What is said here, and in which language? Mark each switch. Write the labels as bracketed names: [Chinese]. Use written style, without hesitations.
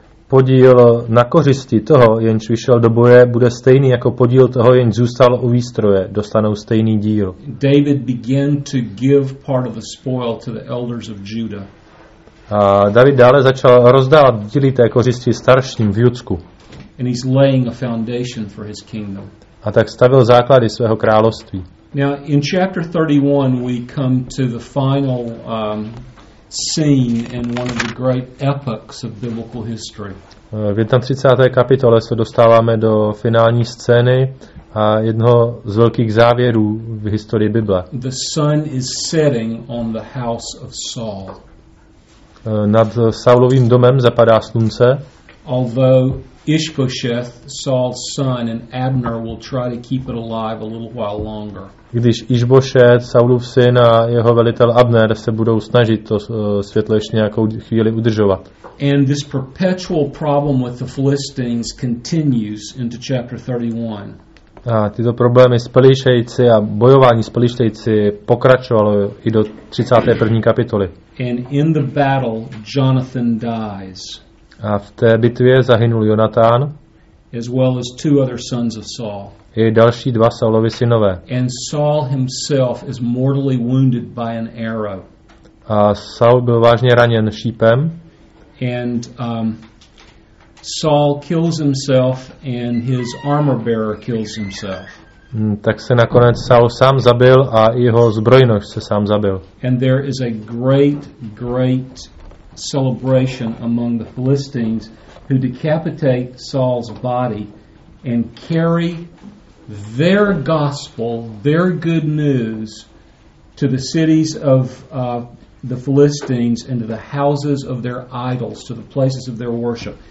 [Czech] Podíl na kořisti toho, jenž vyšel do boje, bude stejný jako podíl toho, jenž zůstal u výstroje, dostanou stejný díl. [English] David began to give part of the spoil to the elders of Judah. [Czech] A David dále začal rozdávat díly té kořisti starším v Judsku. [English] And he's laying a foundation for his kingdom. [Czech] A tak stavil základy svého království. [English] Now in chapter 31 we come to the final scene in one of the great epochs of biblical history. [Czech] V 31. kapitole se dostáváme do finální scény a jednoho z velkých závěrů v historii Bible. [English] The sun is setting on the house of Saul. [Czech] Nad Saulovým domem zapadá slunce. [English] Although Ishbosheth, Saul's son, and Abner will try to keep it alive a little while longer. [Czech] Když Ishbosheth, Saulův syn a jeho velitel Abner se budou snažit to světlo ještě nějakou chvíli udržovat. [English] And this perpetual problem with the Philistines continues into chapter 31. [Czech] A tyto problémy s Pelištejci a bojování s Pelištejci pokračovalo i do 31. kapitoly. [English] And in the battle, Jonathan dies. [Czech] A v té bitvě zahynul Jonatán. [English] As well as two other sons of Saul. [Czech] I další dva Saulovi synové. [English] And Saul himself is mortally wounded by an arrow. [Czech] A Saul byl vážně raněn šípem. [English] And Saul kills himself and his armor bearer kills himself. [Czech] Tak se nakonec Saul sám zabil a jeho zbrojnož se sám zabil. [English] And there is a great, great celebration among the Philistines who decapitate Saul's body and carry their gospel, their good news to the cities of the Philistines and to the houses of their idols, to the places of their worship.